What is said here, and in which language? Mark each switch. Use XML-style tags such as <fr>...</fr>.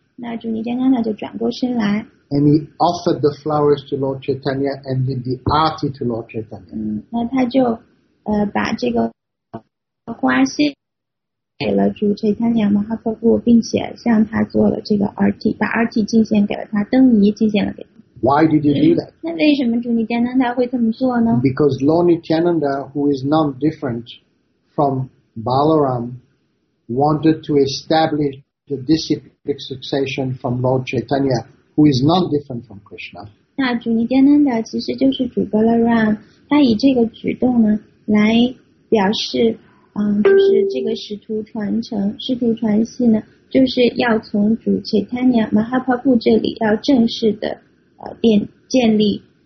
<zh>那主尼迦南达就转过身来。</zh> <en>And he offered the flowers to Lord Chaitanya and did the RT to Lord Chaitanya.</en> <zh>那他就把这个花献给了主 Chaitanya Mahaprabhu 并且向他做了这个 RT, 把 RT 进献给了他灯仪进献了给他。</zh> <en>Why did you do that?</en> <zh>那为什么主尼迦南达会这么做呢?</zh> <en>Because Lord Nityananda, who is none different from Balaram, wanted to establish the disciplic succession from Lord Chaitanya, who is none different from Krishna.</en> <zh>那主尼迦南达其实就是主 Balaram, 他以这个举动呢来表示就是这个使徒传承使徒传系呢就是要从主 Chaitanya Mahaprabhu 这里要正式的建立</zh>